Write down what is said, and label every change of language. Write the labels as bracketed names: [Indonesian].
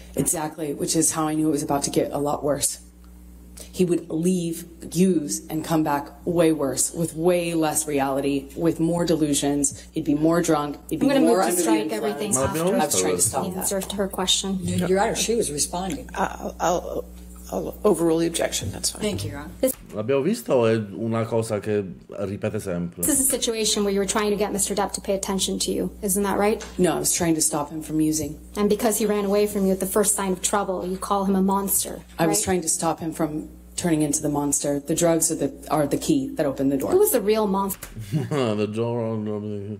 [English] Exactly, which is how I knew it was about to get a lot worse. He would leave, use, and come back way worse, with way less reality, with more delusions. He'd be more drunk. He'd be more under the influence. I'm going to move to strike everything after. I've tried to stop that. Answer to her question. Your Honor, she was responding. I'll overrule the objection. That's fine. Thank you, Your Honor. [Italian] L'abbiamo visto o è una cosa che ripete sempre? [English] This is a situation where you were trying to get Mr. Depp to pay attention to you. Isn't that right? No, I was trying to stop him from using. And because he ran away from you at the first sign of trouble, you call him a monster, right? I was trying to stop him from... turning into the monster. The drugs are the key that opened the door. Who was the real monster? The door opened the